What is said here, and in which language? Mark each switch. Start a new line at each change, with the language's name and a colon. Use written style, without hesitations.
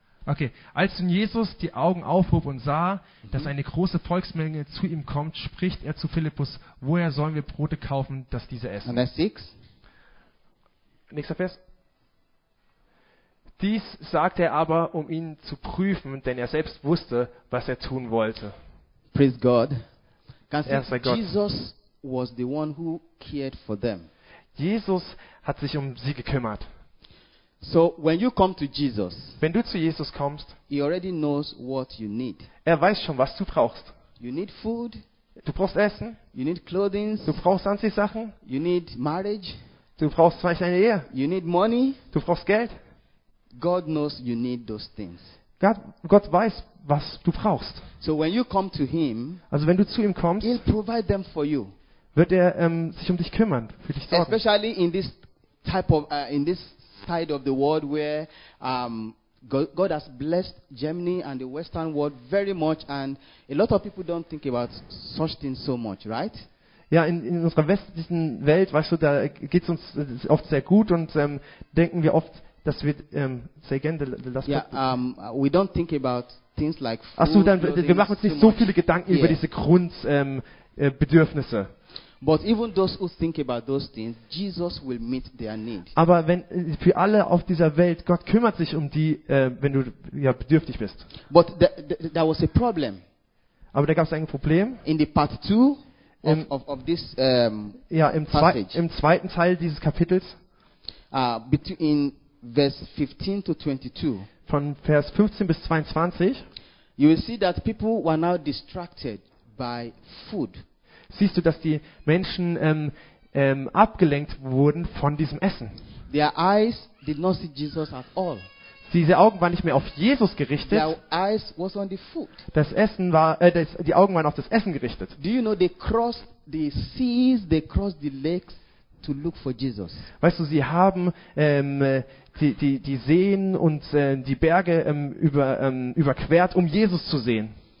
German: Okay, als nun Jesus die Augen aufhob und sah, dass eine große Volksmenge zu ihm kommt, spricht er zu Philippus, woher sollen wir Brote kaufen, dass diese essen? Und Vers 6. Nächster Vers. Dies sagte er aber, um ihn zu prüfen, denn er selbst wusste, was er tun wollte.
English: Praise God.
German: Erster Gott.
English: Jesus was the one who cared for them.
German: Jesus hat sich um sie gekümmert.
English: So when you come to Jesus,
German: wenn du zu Jesus kommst,
English: he already knows what you need.
German: Er weiß schon, was du brauchst.
English: You need food.
German: Du brauchst Essen.
English: You need clothing.
German: Du brauchst Anziehsachen.
English: You need marriage.
German: Du brauchst vielleicht eine Ehe.
English: You need money.
German: Du brauchst Geld.
English: God knows you need those things.
German: Gott weiß, was du brauchst.
English: So when you come to him,
German: also wenn du zu ihm kommst,
English: he'll provide them for you.
German: Wird er sich um dich kümmern, für dich sorgen.
English: Especially in this type of in this side of the world where God has blessed Germany and the Western world very much, and a lot of people don't think about such things so much, right?
German: Ja, in unserer westlichen Welt, weißt du, da geht's uns oft sehr gut und denken wir oft, dass wir
English: say again the last yeah, we don't think about things like food.
German: Ach so, dann wir machen uns nicht so viele Gedanken über diese Grundbedürfnisse.
English: But even those who think about those things, Jesus will meet their need.
German: Aber wenn für alle auf dieser Welt, Gott kümmert sich um die, wenn du ja bedürftig bist.
English: But there was a problem.
German: Aber da gab es ein Problem.
English: In the part 2 of this
German: im zweiten Teil dieses Kapitels.
English: In verse 15 to 22.
German: Von Vers 15 bis 22.
English: You will see that people were now distracted by food.
German: Siehst du, dass die Menschen abgelenkt wurden von diesem Essen.
English: Their eyes did not see Jesus at all.
German: Diese Augen waren nicht mehr auf Jesus gerichtet.
English: Their eyes was on the food.
German: Das Essen war, die Augen waren auf das Essen gerichtet.
English: Do you know they crossed the seas, they crossed the lakes to look for Jesus?
German: Weißt du, sie haben die Seen und die Berge überquert, um Jesus zu sehen.